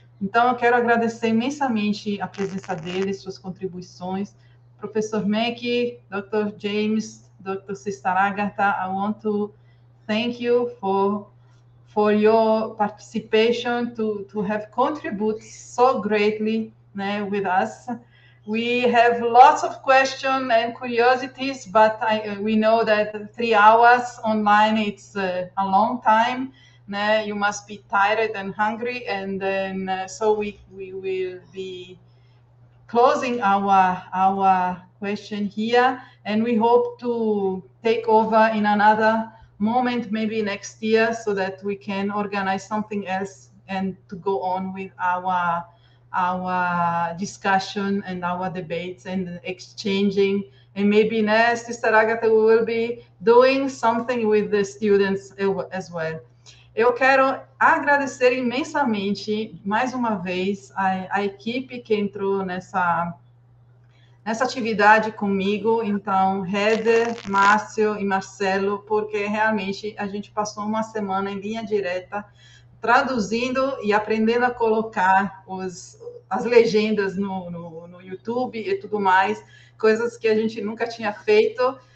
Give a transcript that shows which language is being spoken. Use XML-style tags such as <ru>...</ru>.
<pt>Então, eu quero agradecer imensamente a presença dele, suas contribuições. Professor Mack, Dr. James, Dr.</pt> <en>Sistaragata, I want to thank you for your participation to have contributed so greatly,</en> <pt>né,</pt> <en>with us. We have lots of questions and curiosities, but we know that 3 hours online, it's a long time.</en> <pt>Né?</pt> <en>You must be tired and hungry, and then so we will be closing our question here, and we hope to take over in another moment, maybe next year, so that we can organize something else and to go on with our discussion and our debates and exchanging. And maybe,</en> <pt>né,</pt> <en>Sister Agatha, we will be doing something with the students as well.</en> <pt>Eu quero agradecer imensamente, mais uma vez, a equipe que entrou nessa atividade comigo, então, Heather, Márcio e Marcelo, porque realmente a gente passou uma semana em linha direta traduzindo e aprendendo a colocar as legendas no YouTube e tudo mais, coisas que a gente nunca tinha feito.</pt>